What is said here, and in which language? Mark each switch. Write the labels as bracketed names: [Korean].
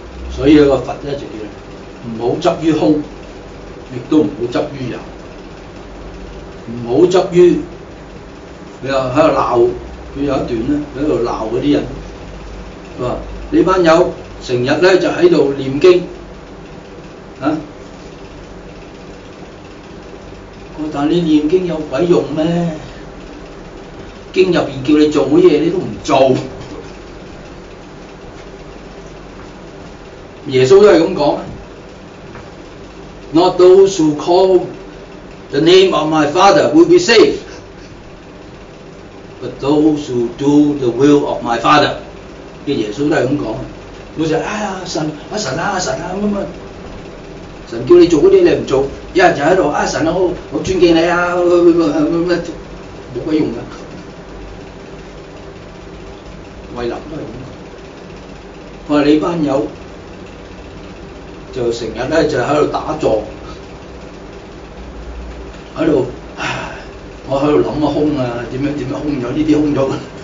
[Cantonese] 所以有個佛咧就叫唔好執於空，亦都唔好執於有，唔好執於佢又喺度鬧，佢有一段咧喺度鬧嗰啲人，佢話你班友成日咧就喺度念經，啊，我但你念經有鬼用咩？經入邊叫你做嘅嘢你都唔做。耶穌都是這樣說， [English] Not those who call the name of my father will be saved, but those who do the will of my father。 [Cantonese] 耶穌都是這樣說，我就說、哎、神啊神啊神啊，神叫你做嗰啲你唔做，有人就喺度啊神啊，我尊敬你啊，乜冇鬼用噶。慧能都系咁讲，佢话你班友就成日咧就喺度打坐，喺度，唉，我喺度谂啊空啊，点样空咗呢啲空咗。